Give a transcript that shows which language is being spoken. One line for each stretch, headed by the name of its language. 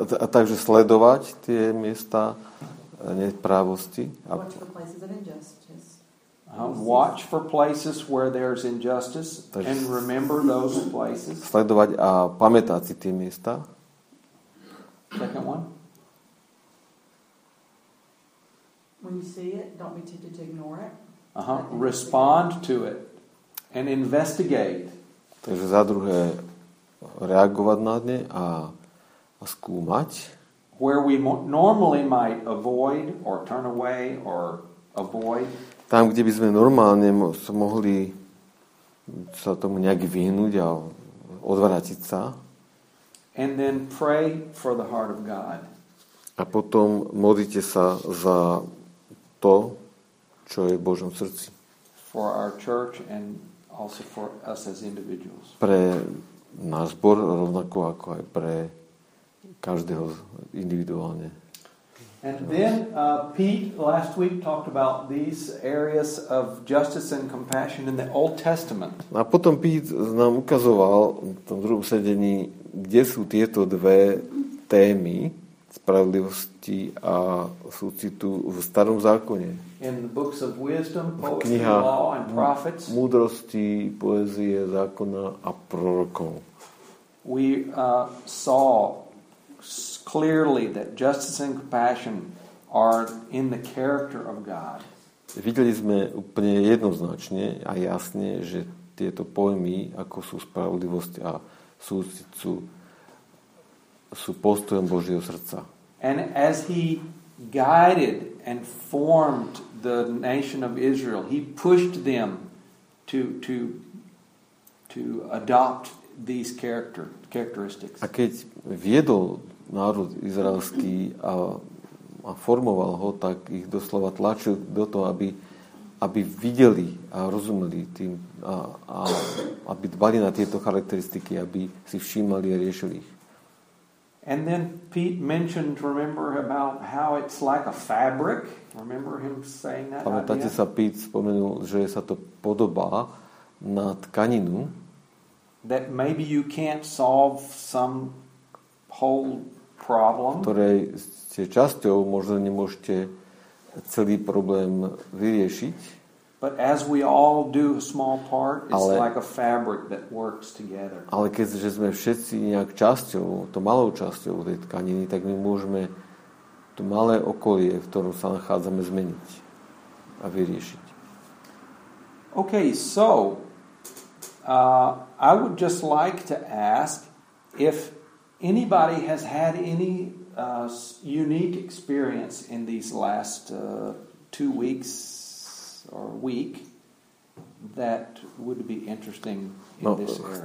Slovak: Takže sledovať tie miesta nepravosti.
English: Watch for places of injustice. Watch for places where there's injustice and remember those places.
Slovak: Sledovať a pamätať si tie miesta.
English: Second one. When you see it, don't be tempted to ignore it. Respond to it and investigate.
Slovak: Takže za druhé reagovať na ne a skúmať.
English: where we normally might avoid or turn away or avoid.
Slovak: Tam, kde by sme normálne mohli sa tomu nejak vyhnúť a odvrátiť sa.
English: And then pray for the heart of God.
Slovak: A potom modlite sa za to, čo je v Božom srdci.
English: For our church and also for us as individuals.
Slovak: Pre náš zbor rovnako ako aj pre každého individuálne.
English: And then Pete last week talked about these areas of justice and compassion in the Old Testament.
Slovak: A potom Pete nám ukazoval v tom druhom sedení, kde sú tieto dve témy spravodlivosti a súcitu v starom zákone.
English: In the books of wisdom, poetry, law and prophets.
Slovak: Múdrosti, poezie, zákona a prorokov.
English: We saw clearly that justice and compassion are in the character of God.
Slovak: Videli sme úplne jednoznačne a jasne, že tieto pojmy, ako sú spravodlivosť a súcit, sú postojom Božieho srdca.
English: And as he guided and formed the nation of Israel, he pushed them to adopt these characteristics.
Slovak: A keď viedol národ izraelský a formoval ho, tak ich doslova tlačil do toho, aby videli a rozumeli tým a aby dbali na tieto charakteristiky, aby si všímali a riešili ich.
English: And then Pete mentioned, remember, about how it's like a fabric. Remember him saying that?
Slovak: Pamätáte sa, Pete spomenul, že sa to podobá na tkaninu.
English: That maybe you can't solve some whole problem.
Slovak: Ktorej ste časťou, možno nemôžete celý problém vyriešiť.
English: But as we all do a small part, it's like a fabric that works together.
Slovak: Ale keďže sme všetci nejak časťou, to malou časťou tej tkaniny, tak my môžeme to malé okolie, v ktorom sa nachádzame, zmeniť a vyriešiť.
English: Okay, so I would just like to ask if anybody has had any unique experience in these last 2 weeks or week that would be interesting in this area.